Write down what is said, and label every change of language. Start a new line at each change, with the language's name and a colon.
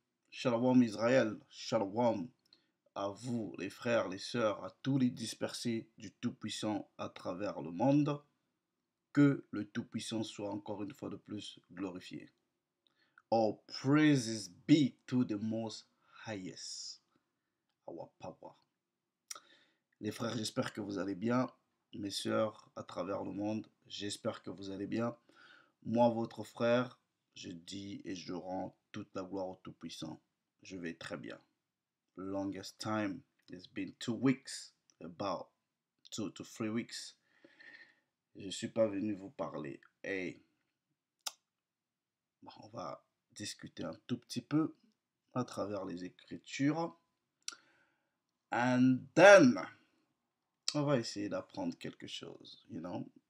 French: Shalom Israël, shalom à vous les frères, les sœurs, à tous les dispersés du Tout-Puissant à travers le monde. Que le Tout-Puissant soit encore une fois de plus glorifié.
English: All praises be to the Most Highest, our power.
French: Les frères, j'espère que vous allez bien. Mes sœurs à travers le monde, j'espère que vous allez bien. Moi, votre frère, je dis et je rends toute la gloire au Tout-Puissant. Je vais très bien.
English: Longest time, it's been 2 weeks, about 2 to 3 weeks.
French: Je ne suis pas venu vous parler. Hey, bon, on va discuter un tout petit peu à travers les Écritures.
English: And then,
French: on va essayer d'apprendre quelque chose,
English: you know.